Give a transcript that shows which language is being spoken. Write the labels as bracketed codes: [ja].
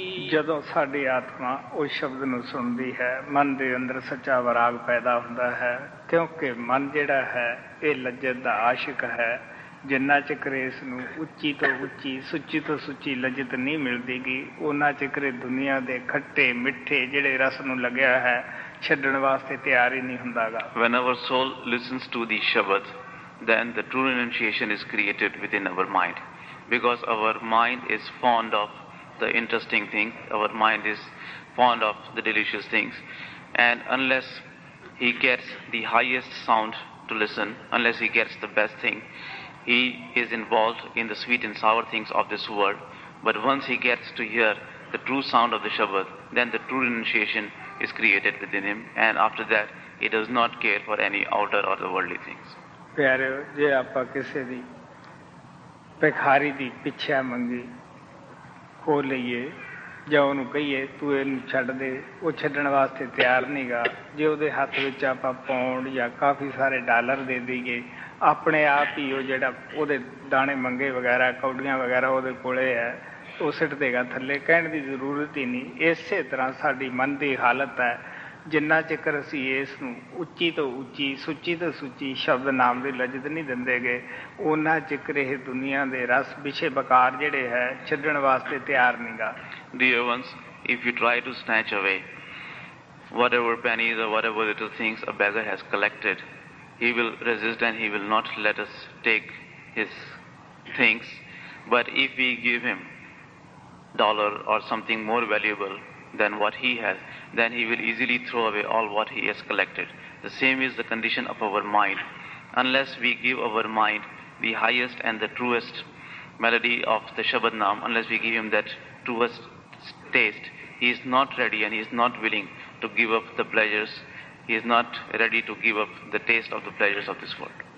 [pa] ਜਦੋਂ ਸਾਡੀ ਆਤਮਾ ਉਸ ਸ਼ਬਦ ਨੂੰ ਸੁਣਦੀ ਹੈ, ਮਨ ਦੇ ਅੰਦਰ ਸੱਚਾ ਵਿਰਾਗ ਪੈਦਾ ਹੁੰਦਾ ਹੈ, ਕਿਉਂਕਿ ਮਨ ਜਿਹੜਾ ਹੈ ਇਹ ਲੱਜਤ ਦਾ ਆਸ਼ਿਕ ਹੈ। ਜਿੰਨਾ ਚਿਕਰ ਇਸ ਨੂੰ ਉੱਚੀ ਤੋਂ ਉੱਚੀ, ਸੁੱਚੀ ਤੋਂ ਸੁੱਚੀ ਲੱਜਤ ਨਹੀਂ ਮਿਲਦੀ ਗੀ, ਉਹਨਾਂ ਚਿਕਰ ਦੁਨੀਆਂ ਦੇ ਖੱਟੇ ਮਿੱਠੇ ਜਿਹੜੇ ਰਸ ਨੂੰ ਲੱਗਿਆ ਹੈ ਛੱਡਣ ਵਾਸਤੇ ਤਿਆਰ ਹੀ ਨਹੀਂ ਹੁੰਦਾ ਗਾ। [en] When our soul listens to the Shabad, then the true renunciation is created within our mind, because our mind is fond of the interesting thing, our mind is fond of the delicious things, and unless he gets the highest sound to listen, unless he gets the best thing, he is involved in the sweet and sour things of this world. But once he gets to hear the true sound of the Shabad, then the true renunciation is created within him, and after that he does not care for any outer or the worldly things. [pa] ਪਿਆਰਿਓ, ਜੇ ਆਪਾਂ ਕਿਸੇ ਦੀ ਭਿਖਾਰੀ ਦੀ ਪਿੱਛਾ ਮੰਗੀ ਖੋ ਲਈਏ, ਜਾਂ ਉਹਨੂੰ ਕਹੀਏ ਤੂੰ ਇਹਨੂੰ ਛੱਡ ਦੇ, ਉਹ ਛੱਡਣ ਵਾਸਤੇ ਤਿਆਰ ਨਹੀਂ ਗਾ, ਜੇ ਉਹਦੇ ਹੱਥ ਵਿੱਚ ਆਪਾਂ ਪੌਂਡ ਜਾਂ ਕਾਫੀ ਸਾਰੇ ਡਾਲਰ ਦੇ ਦੇਈਏ, ਆਪਣੇ ਆਪ ਹੀ ਉਹ ਜਿਹੜਾ ਉਹਦੇ ਦਾਣੇ ਮੰਗੇ ਵਗੈਰਾ ਕੌਡੀਆਂ ਵਗੈਰਾ ਉਹਦੇ ਕੋਲੇ ਹੈ, ਉਹ ਸਿੱਟ ਦੇਗਾ ਥੱਲੇ, ਕਹਿਣ ਦੀ ਜ਼ਰੂਰਤ ਹੀ ਨਹੀਂ। ਇਸੇ ਤਰ੍ਹਾਂ ਸਾਡੀ ਮਨ ਦੀ ਹਾਲਤ ਹੈ, ਜਿੰਨਾ ਚਿਕਰ ਅਸੀਂ ਇਸ ਨੂੰ ਉੱਚੀ ਤੋਂ ਉੱਚੀ, ਸੁੱਚੀ ਤੋਂ ਸੁੱਚੀ ਸ਼ਬਦ ਨਾਮ ਦੀ ਲੱਜਤ ਨਹੀਂ ਦਿੰਦੇ ਗੇ, ਉਹਨਾਂ ਚਿਕਰ ਇਹ ਦੁਨੀਆਂ ਦੇ ਰਸ ਵਿਸ਼ੇ ਬਕਾਰ ਜਿਹੜੇ ਹੈ ਛੱਡਣ ਵਾਸਤੇ ਤਿਆਰ ਨਹੀਂ ਗਾ। [en] Dear ones, if you try to snatch away whatever pennies or whatever little things a beggar has collected, he will resist and he will not let us take his things, but if we give him dollar or something more valuable than what he has, then he will easily throw away all what he has collected. The same is the condition of our mind. Unless we give our mind the highest and the truest melody of the Shabad Naam, unless we give him that truest taste, he is not ready and he is not willing to give up the pleasures. He is not ready to give up the taste of the pleasures of this world.